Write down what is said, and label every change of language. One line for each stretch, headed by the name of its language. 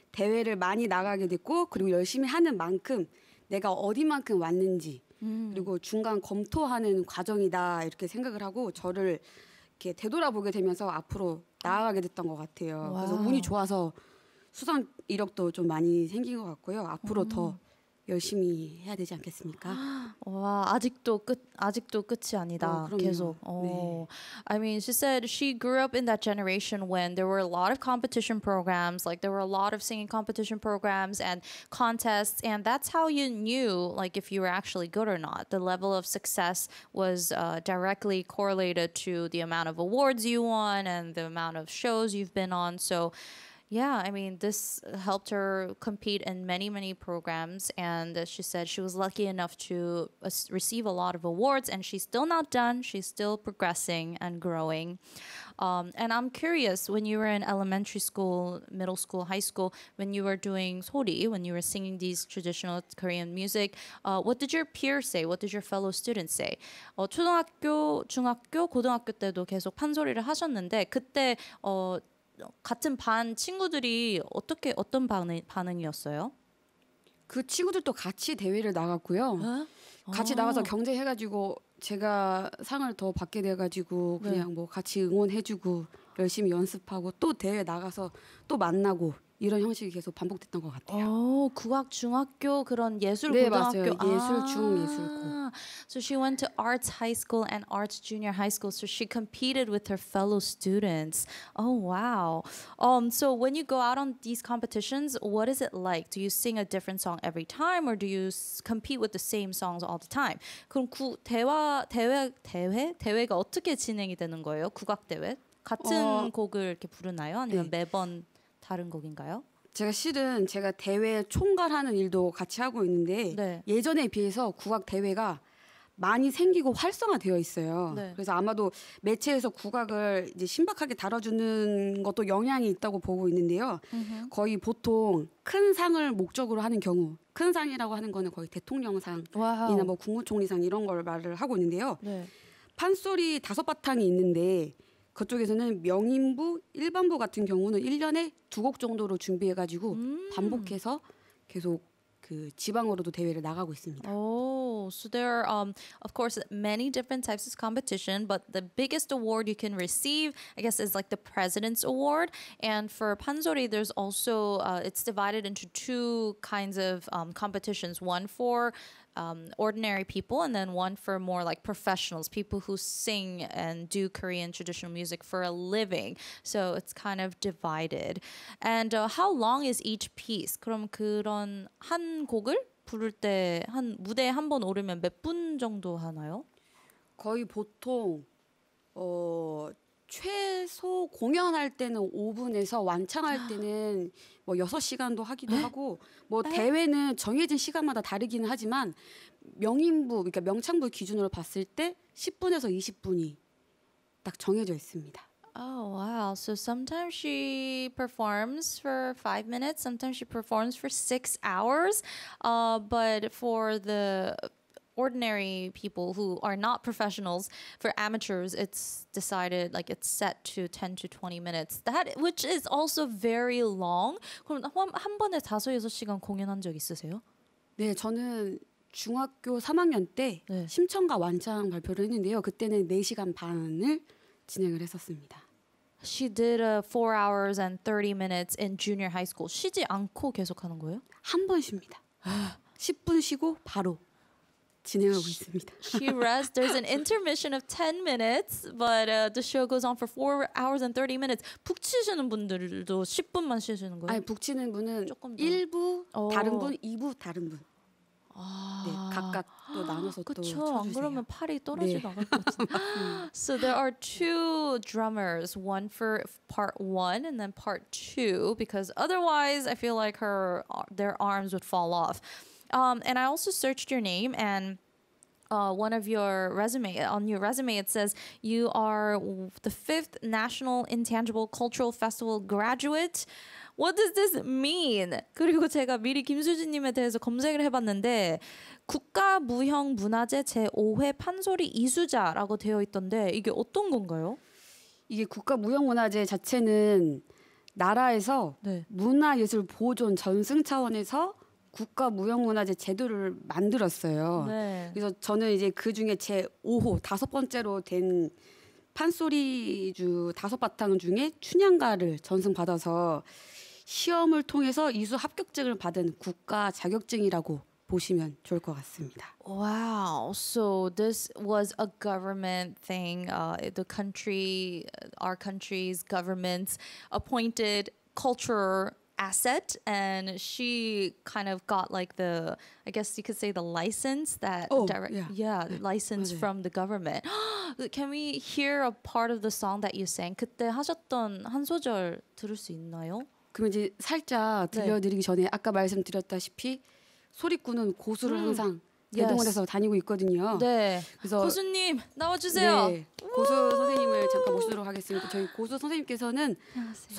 Korean: 대회를 많이 나가게 됐고 그리고 열심히 하는 만큼 내가 어디만큼 왔는지 그리고 중간 검토하는 과정이다 이렇게 생각을 하고 저를 이렇게 되돌아보게 되면서 앞으로 나아가게 됐던 것 같아요. 와우. 그래서 운이 좋아서 수상 이력도 좀 많이 생긴 것 같고요. 앞으로 더 열심히 해야 되지 않겠습니까? 와, 아직도 끝이 아니다. 계속. 네.
English: I mean, she said she grew up in that generation when there were a lot of competition programs, like there were a lot of singing competition programs and contests, and that's how you knew like if you were actually good or not. The level of success was directly correlated to the amount of awards you won and the amount of shows you've been on. So yeah, I mean, this helped her compete in many, many programs. And she said she was lucky enough to receive a lot of awards. And she's still not done. She's still progressing and growing. And I'm curious, when you were in elementary school, middle school, high school, when you were doing 소리, when you were singing these traditional Korean music, what did your peers say? What did your fellow students say?
Korean: 초등학교, 중학교, 고등학교 때도 계속 판소리를 하셨는데 그때 같은 반 친구들이 어떻게 어떤 반응이었어요? 그 친구들도 같이 대회를 나갔고요. 에? 같이 나가서 경쟁해가지고 제가 상을 더 받게 돼가지고 그냥 네. 뭐 같이 응원해주고 열심히 연습하고 또 대회 나가서 또 만나고 이런 형식이 계속 반복됐던 것 같아요. 국악 중학교 그런 예술 고등학교 네, 맞아요. 예술 중 예술고.
English: So she went to arts high school and arts junior high school. So she competed with her fellow students. Oh wow. So when you go out on these competitions, what is it like? Do you sing a different song every time, or do you compete with the same songs all the time?
Korean: 그럼 대회가 어떻게 진행이 되는 거예요? 국악 대회 같은 곡을 이렇게 부르나요? 아니면 네. 매번 다른 곡인가요? 제가 실은 제가 대회 총괄하는 일도 같이 하고 있는데 네. 예전에 비해서 국악 대회가 많이 생기고 활성화되어 있어요. 네. 그래서 아마도 매체에서 국악을 이제 신박하게 다뤄주는 것도 영향이 있다고 보고 있는데요. 음흠. 거의 보통 큰 상을 목적으로 하는 경우 큰 상이라고 하는 거는 거의 대통령상이나 뭐 국무총리상 이런 걸 말을 하고 있는데요. 네. 판소리 다섯 바탕이 있는데 그쪽에서는 명인부, 일반부 같은 경우는 1년에 두 곡 정도로 준비해가지고 반복해서 계속 그 지방으로도 대회를 나가고 있습니다.
English: So there are, of course, many different types of competition, but the biggest award you can receive, I guess, is like the President's Award. And for Pansori, there's also, it's divided into two kinds of competitions, one for ordinary people and then one for more like professionals, people who sing and do Korean traditional music for a living. So it's kind of divided. And how long is each piece?
Korean: 그럼 그런 한 곡을 부를 때 한 무대에 한 번 오르면 몇 분 정도 하나요? 거의 보통 최소 공연할 때는 5분에서 완창할 때는 뭐 6시간도 하기도 에? 하고 뭐 에? 대회는 정해진 시간마다 다르기는 하지만 명인부 그러니까 명창부 기준으로 봤을 때 10분에서 20분이 딱 정해져 있습니다.
English: Oh wow. So sometimes she performs for 5 minutes, sometimes she performs for 6 hours. But for the ordinary people who are not professionals, for amateurs, it's decided, like it's set to 10 to 20 minutes. That, which is also very long.
Korean: 그럼 한 번에 5, 6시간 공연한 적 있으세요? 네, 저는 중학교 3학년 때 네. 심청과 완창 발표를 했는데요. 그때는 4시간 반을 진행을 했었습니다.
English: She did 4 hours and 30 minutes in junior high school.
Korean: 쉬지 않고 계속하는 거예요? 한 번 쉽니다. 10분 쉬고 바로 진행하고 있습니다.
English: She rests. There's an intermission of 10 minutes, but the show goes on for 4 hours and 30 minutes.
Korean: 북 치시는 분들도 10분만 쉬시는 거예요? 아니, 북 치는 분은 1부 다른 분, 2부 다른 분. 네, 각각 또 나눠서 또 쳐주세요. 그렇죠. 안 그러면 팔이 떨어지나 갈 것 같은데.
English: So there are two drummers, one for part one and then part two, because otherwise I feel like their arms would fall off. And I also searched your name and one of your resume, on your resume it says you are the 5th National Intangible Cultural Festival graduate. What does this mean?
Korean: 그리고 제가 미리 김수진님에 대해서 검색을 해봤는데 국가무형문화재 제5회 판소리 이수자라고 되어 있던데 이게 어떤 건가요? 이게 국가무형문화재 자체는 나라에서 네. 문화예술 보존 전승 차원에서 국가무형문화재 제도를 만들었어요. 네. 그래서 저는 이제 그중에 제5호 다섯 번째로 된 판소리 주 다섯 바탕 중에 춘향가를 전승받아서 시험을 통해서 이수 합격증을 받은 국가 자격증이라고 보시면 좋을 것 같습니다.
English: Wow. So this was a government thing. The country, our country's government's appointed culture asset, and she kind of got like the, I guess you could say the license that license from the government. Can we hear a part of the song that you sang?
Korean: 그때 하셨던 한 소절 들을 수 있나요? 그럼 이제 살짝 들려드리기 전에 아까 말씀드렸다시피 소리꾼은 고수를 항상 대동원에서 다니고 있거든요. 네. 그래서 고수님 나와주세요. 네. 고수 선생님을 잠깐 모시도록 하겠습니다. 저희 고수 선생님께서는 안녕하세요.